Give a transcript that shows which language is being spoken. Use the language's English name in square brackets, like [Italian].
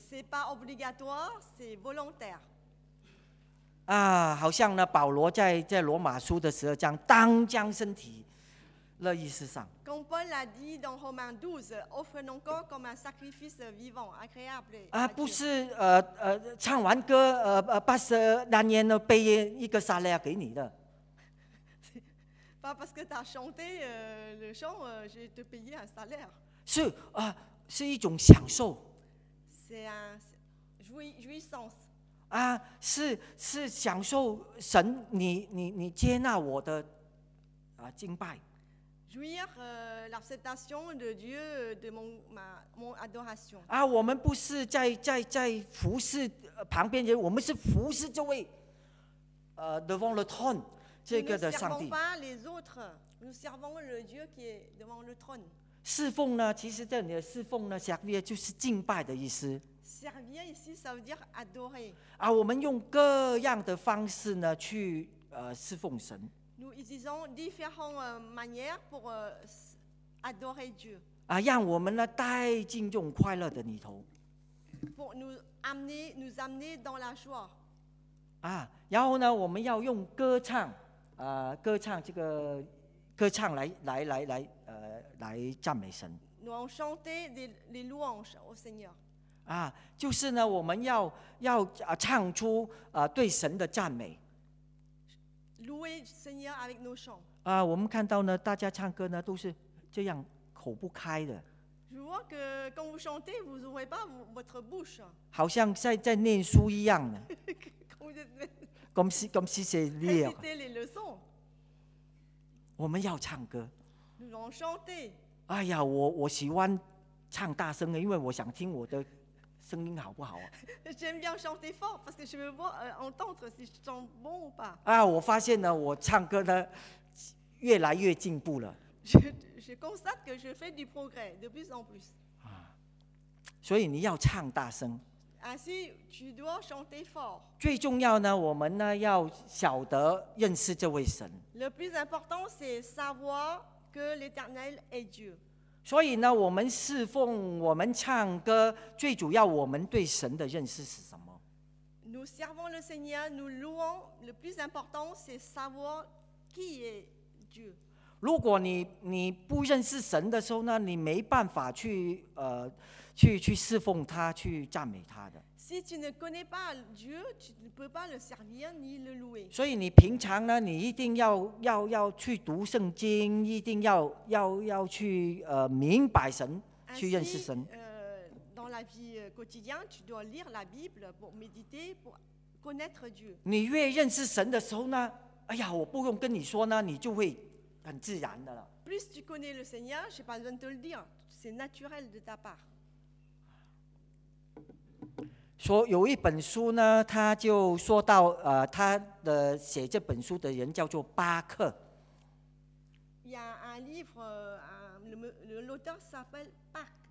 [French] C'est pas obligatoire, c'est volontaire. [Chinese] 啊, 好像呢, 保罗在罗马书的时候讲, 当将身体, 乐意世上。 [French] Comme Paul l'a dit dans Romains 12, offre ton corps comme un sacrifice vivant, agréable. [Chinese] 啊, 不是, 唱完歌, 80 payé一个salaire给你的。 [French] Pas parce que tu as chanté le chant, je te payé un salaire. [Chinese] 是, 是一种享受, [French] c'est un jouissance. [Chinese] 啊, 是享受神, 你接纳我的, 啊, 敬拜。 [French] Jouir l'acceptation de Dieu de mon adoration. [Chinese] 啊, 我们不是在服侍旁边人, 我们是服侍这位, [French] devant le trône, [Chinese] 这个的上帝。 [French] Nous ne servons pas les autres, nous servons le Dieu qui est devant le trône. [Chinese] 侍奉呢, 其实这里的侍奉呢, servir 就是敬拜的意思。 [French] Servir ici, ça veut dire adorer. [Chinese] 啊, 我们用各样的方式呢, 去, 侍奉神。 [French] Nous utilisons différentes manières pour adorer Dieu. [Chinese] 啊, 让我们呢, 带进这种快乐的里头。 [French] Pour nous amener dans la joie. [Chinese] 啊, 然后呢, 我们要用歌唱, 歌唱这个, 歌唱来, 来赞美神。 [French] Nous avons chanté les louanges au Seigneur. [Chinese] 啊, 就是呢, 我们要, 唱出, 对神的赞美。 [French] Louer le Seigneur avec nos chants. [Chinese] 啊, 我们看到呢, 大家唱歌呢, 都是这样, 口不开的。 [French] Je vois que quand vous chantez, vous n'ouvrez pas votre bouche. [Chinese] 好像在念书一样。 [French] comme si c'est lire. Réciter les leçons. [Chinese] 我们要唱歌。 [French] Nous allons chanter. [Chinese] 哎呀, 我喜欢唱大声, 因为我想听我的声音好不好啊。 [French] J'aime bien chanter fort parce que je veux voir, entendre si je chante bon ou pas. [Chinese] 啊, 我发现呢, 我唱歌呢, 越来越进步了。 [French] Je constate que je fais du progrès de plus en plus. [Chinese] 啊, 所以你要唱大声。 [French] Ainsi, tu dois chanter fort. [Chinese] 最重要呢, 我们呢, 要晓得认识这位神。 [French] Le plus important, c'est savoir que l'Éternel est Dieu. [Chinese] 所以呢, 我们侍奉, 我们唱歌, 最主要我们对神的认识是什么? [French] Nous servons le Seigneur, nous louons. Le plus important, c'est savoir qui est Dieu. [Chinese] 如果你不认识神的时候呢, 你没办法去, 去侍奉他, 去赞美他的。 [French] Si tu ne connais pas Dieu, tu ne peux pas le servir ni le louer. [Chinese] 所以你平常呢, 你一定要去读圣经, 一定要去, 明白神, 去认识神。 [French] Dans dans la vie quotidienne, tu dois lire la Bible pour méditer, pour connaître Dieu. [Chinese] 你越认识神的时候呢，哎呀，我不用跟你说呢，你就会很自然的了。 [French] Plus tu connais le Seigneur, j'ai pas besoin de te le dire, c'est naturel de ta part. [Chinese] 说有一本书呢，他就说到，他的写这本书的人叫做巴克。 [French] Il y a un livre, l'auteur s'appelle Park.